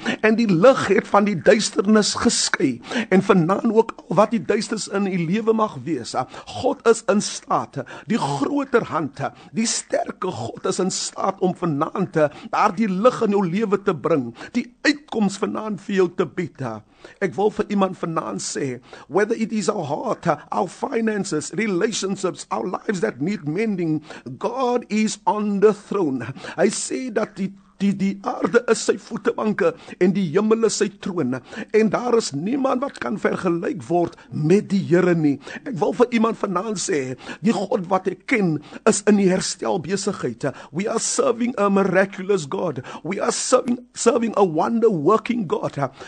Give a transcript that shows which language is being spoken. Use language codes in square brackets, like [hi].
[af] En die lig het van die duisternis geskei. En vanaand ook wat die duisternis in die lewe mag wees. God is in staat. Die groter hand, die sterke God is in staat om vanaand daar die lig in jou lewe te bring. Die uitkoms vanaand vir jou te bied. Ek wil vir iemand vanaand sê, [en] whether it is our heart, our finances, relationships, our lives that need mending, God is on the throne. I say that [af] die aarde is sy voetebanke en die hemel is sy troon. En daar is niemand wat kan vergelyk word met die Here nie. Ek wil vir iemand vanaand sê, die God wat ek ken is in die herstelbesigheid. [en] We are serving a miraculous God. We are serving a wonder working God.